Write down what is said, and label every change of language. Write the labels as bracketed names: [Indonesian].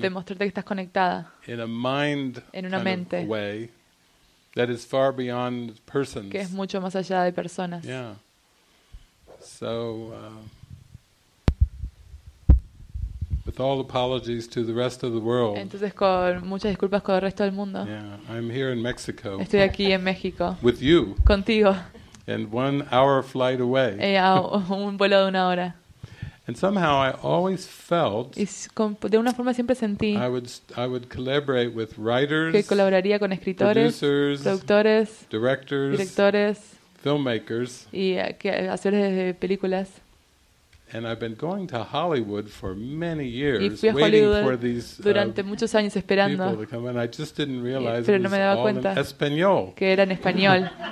[Spanish] Demostrarte que estás conectada. [English] In a mind. [Spanish] En una mente. [English] Kind of way that is far beyond persons. [Spanish] Que es mucho más allá de personas. [English] Yeah. So, with all apologies to the rest of the world. [Spanish] Entonces con muchas disculpas con el resto del mundo. [English] Yeah, I'm here in Mexico. [Spanish] Estoy aquí en México. [English] With you. [Spanish] Contigo. [English] And 1 hour flight away. [Spanish] Un vuelo de una hora. [English] And somehow I always felt. [Spanish] De una forma siempre sentí. [English] I would collaborate with writers. [Spanish] Que colaboraría con escritores, [English] producers, [Spanish] productores, [English] directors, [Spanish] directores. [English] Filmmakers. [Spanish] Y actores de películas. [English] And I've been going to Hollywood for many years, [Spanish] y fui a Hollywood [English] waiting for these [Spanish] durante muchos años esperando. [English] People to come, and I just didn't realize [Spanish] pero no me daba cuenta que era en español.